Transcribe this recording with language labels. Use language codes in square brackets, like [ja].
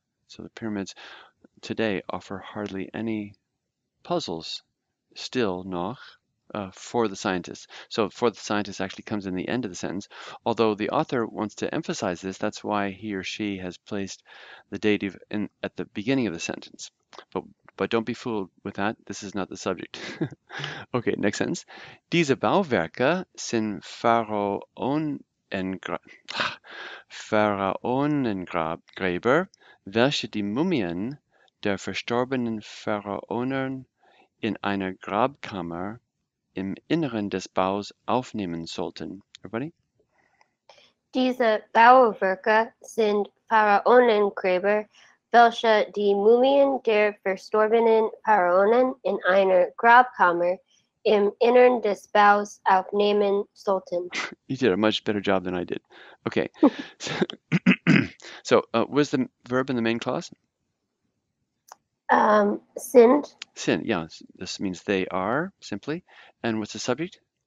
[en] So the pyramids today offer hardly any puzzles still, noch. For the scientists. So for the scientists actually comes in the end of the sentence. Although the author wants to emphasize this, that's why he or she has placed the dative in at the beginning of the sentence. But don't be fooled with that. This is not the subject. Okay, next sentence. [de] Diese Bauwerke sind Pharaonengräber, welche die Mumien der verstorbenen Pharaonen in einer Grabkammer im Inneren des Baus aufnehmen sollten. [en] Everybody? [de] Diese Bauwerke sind Pharaonengräber, welche die Mumien der verstorbenen Pharaonen in einer Grabkammer im Inneren des Baus aufnehmen sollten. [en] You did a much better job than I did. Okay. So, was the verb in the main clause? [de] sind. [en] Sin, yeah, this means they are simply. And what's the subject?